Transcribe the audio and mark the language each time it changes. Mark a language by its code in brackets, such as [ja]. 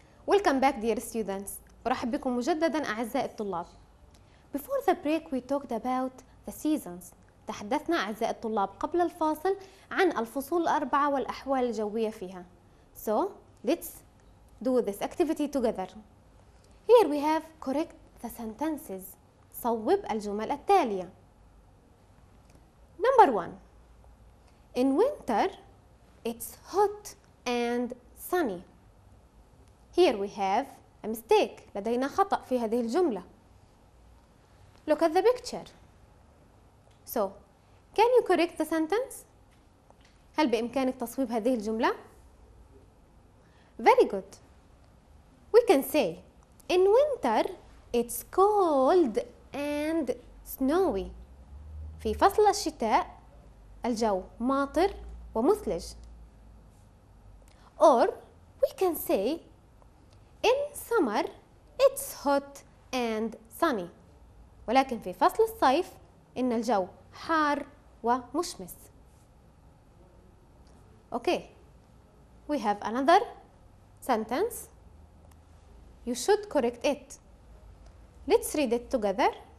[en] Welcome back, dear students. [ar] أرحب بكم مجدداً أعزائي الطلاب. [en] Before the break, we talked about the seasons. [ar] تحدثنا أعزائي الطلاب قبل الفاصل عن الفصول الأربعة والأحوال الجوية فيها. [en] So, let's do this activity together. Here we have correct the sentences. [ar] صوب الجمل التالية. [en] Number one. In winter, it's hot and sunny. Here we have a mistake. [ar] لدينا خطأ في هذه الجملة. [en] Look at the picture. So, can you correct the sentence? [ar] هل بإمكانك تصويب هذه الجملة؟ [en] Very good. We can say, in winter, it's cold and snowy. [ar] في فصل الشتاء, الجو ماطر ومثلج. [en] Or, we can say, in summer, it's hot and sunny. [ar] ولكن في فصل الصيف, إن الجو حار ومشمس. [en] Okay, we have another sentence. You should correct it. Let's read it together.